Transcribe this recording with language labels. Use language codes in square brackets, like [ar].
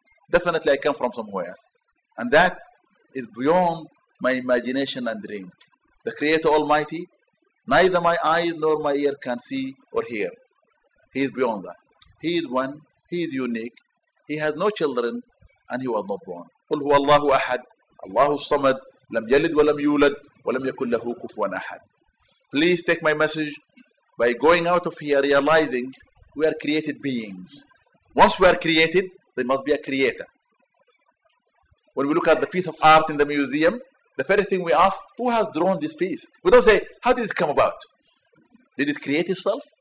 [en] Definitely I come from somewhere. And that is beyond my imagination and dream. The Creator Almighty, neither my eyes nor my ear can see or hear. He is beyond that. He is one. He is unique. He has no children and he was not born. [ar] قل هو الله أحد. الله الصمد. لم يلد ولم يولد ولم يكن له كفوا أحد. [en] Please take my message. By going out of here, realizing we are created beings. Once we are created, there must be a creator. When we look at the piece of art in the museum, the first thing we ask, who has drawn this piece? We don't say, how did it come about? Did it create itself?